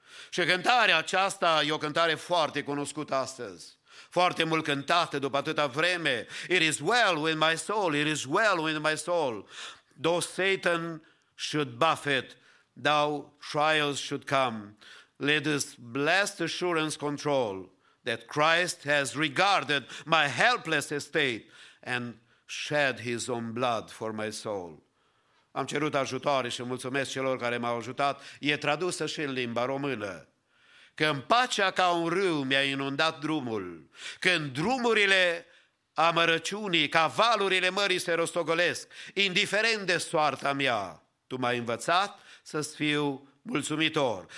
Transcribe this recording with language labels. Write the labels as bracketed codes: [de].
[ro] Și cântarea aceasta e o cântare foarte cunoscută astăzi. Foarte mult cântată după atâta vreme. [en] It is well with my soul, it is well with my soul. Though Satan should buffet, thou trials should come. Let this blessed assurance control that Christ has regarded my helpless estate and shed his own blood for my soul. [ro] Am cerut ajutoare și mulțumesc celor care m-au ajutat. E tradusă și în limba română. Când pacea ca un râu mi-a inundat drumul, când drumurile amărăciunii ca valurile mării se rostogolesc, indiferent de soarta mea, tu m-ai învățat să-ți fiu mulțumitor.